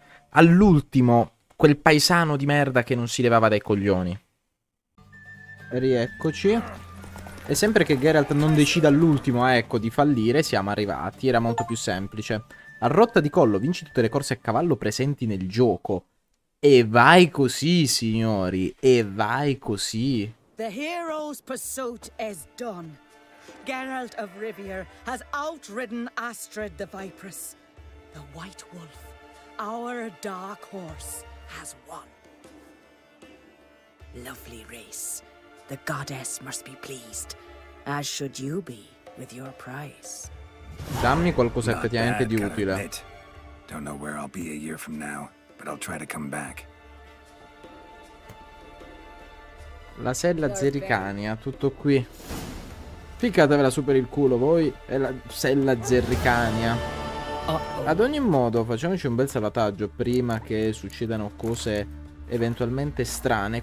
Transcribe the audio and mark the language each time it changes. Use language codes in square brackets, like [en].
[it] All'ultimo, quel paesano di merda che non si levava dai coglioni. Rieccoci. E sempre che Geralt non decida all'ultimo, ecco, di fallire, siamo arrivati. Era molto più semplice. A rotta di collo, vinci tutte le corse a cavallo presenti nel gioco. E vai così, signori. E vai così. [en] The hero's pursuit is done. Geralt of Rivia has outridden Astrid the Vipress. The White Wolf, our dark horse, has won. Lovely race. The goddess must be pleased, as should you be with your prize. [it] Dammi qualcosa effettivamente di utile. [en] Don't know where I'll be a year from now, but I'll try to come back. [it] La sella Zerricania, tutto qui. Ficcatevela su per il culo, voi. È la sella Zerricania. Ad ogni modo, facciamoci un bel salvataggio prima che succedano cose eventualmente strane.